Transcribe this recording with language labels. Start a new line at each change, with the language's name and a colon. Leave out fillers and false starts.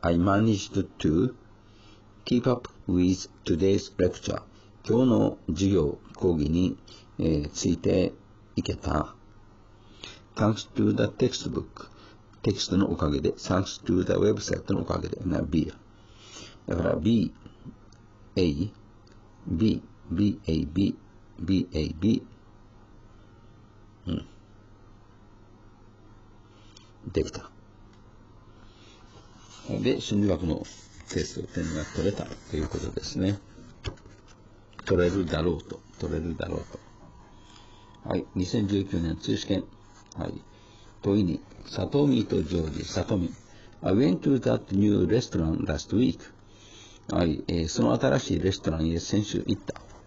English: I managed to keep up with today's lecture.
Japanese: 今日の授業、講義に、ついていけた。
English: Thanks to the textbook.
Japanese: テキストのおかげで、
English: thanks to the website
Japanese: のおかげで、な、B や。だから、B、A、 B、B、A、B、B、A、B。 うん。できた。で、心理学のテスト点が取れたということですね。取れるだろうと。取れるだろうと。はい、2019年追試験。はい。問いに、サトミとジョージ、サトミ。
English: I went to that new restaurant last week.
Japanese: はい、その新しいレストランへ先週行った。